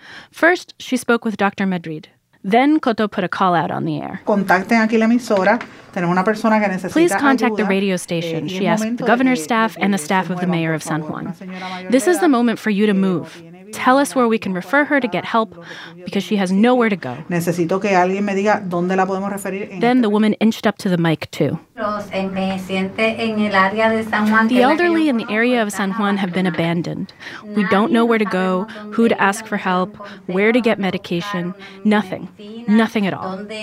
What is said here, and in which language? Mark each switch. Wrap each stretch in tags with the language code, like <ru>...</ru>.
<en>First, she spoke with Dr. Madrid. Then Coto put a call out on the air.</en> <es>Contacten aquí la emisora. Tenemos una persona que necesita</es> <en>Please contact</en> <es>ayuda.</es> <en>The radio station, she asked the governor's staff and the staff of the mayor of San Juan. This is the moment for you to move. Tell us where we can refer her to get help, because she has nowhere to go.</en> <es>Necesito que alguien me diga dónde la podemos referir.</es> <en>Then the woman inched up to the mic, too. The elderly in the area of San Juan have been abandoned. We don't know where to go, who to ask for help, where to get medication, nothing. Nothing at all.</en>